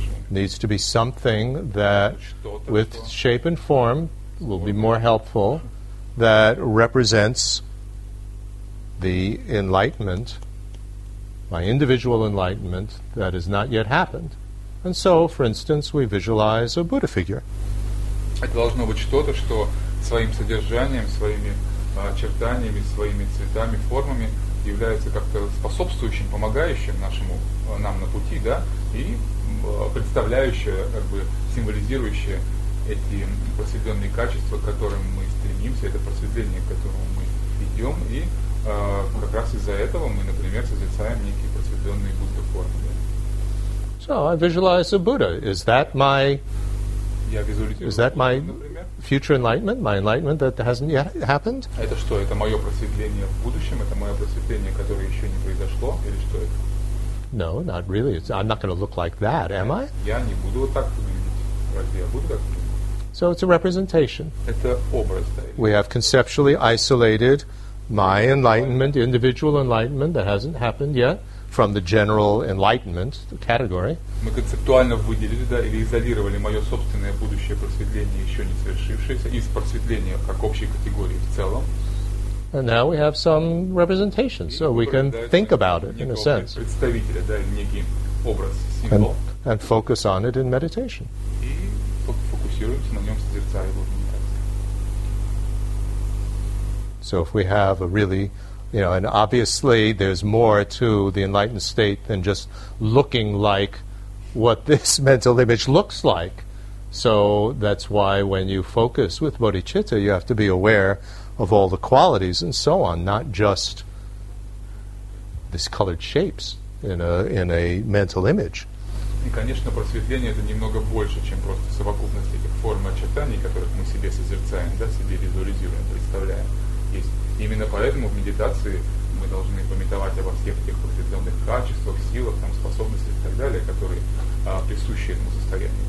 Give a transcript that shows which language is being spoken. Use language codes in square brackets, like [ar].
[en] Needs to be something that with shape and form will be more helpful, that represents the enlightenment, my individual enlightenment that has not yet happened. And so, for instance, we visualize a Buddha figure. [ru] Это должно быть что-то, что своим содержанием, своими очертаниями, своими цветами, формами является как-то способствующим, помогающим нашему нам на пути, да, и представляющее, как бы символизирующее эти просветленные качества, к которым мы стремимся, это просветление, к которому мы идем, и как раз из-за этого мы, например, созерцаем некие просветленные Будды формы. Да. [en] So I visualize a Buddha. Is that my Is that my future enlightenment, my enlightenment that hasn't yet happened? [ru] Это что? Это мое просветление в будущем? Это мое просветление, которое еще не произошло? Или что это? [en] No, not really. I'm not going to look like that, am I? [ru] Я не буду вот так выглядеть. Разве я буду так? [en] So it's a representation. [ru] Это образ. Да? [en] We have conceptually isolated my enlightenment, individual enlightenment that hasn't happened yet, from the general enlightenment the category. [ru] Мы концептуально выделили, да, или изолировали мое собственное будущее просветление, еще не свершившееся, из просветления как общей категории в целом. [en] And now we have some representation, so we can think about it in a sense. [ru] Представителя, да, некий образ, символ. [en] And focus on it in meditation. [ru] И фокусируемся на нем, созерцая его в медитации. [en] So if we have a really You know, and obviously there's more to the enlightened state than just looking like what this mental image looks like. So that's why when you focus with bodhicitta, you have to be aware of all the qualities and so on, not just these colored shapes in a mental image. [ru] И, конечно, просветление – это немного больше, чем просто совокупность этих форм и очертаний, которых мы себе созерцаем, да, себе визуализируем, представляем. Именно поэтому в медитации мы должны памятовать обо всех тех определенных качествах, силах, там, способностях и так далее, которые присущи этому состоянию.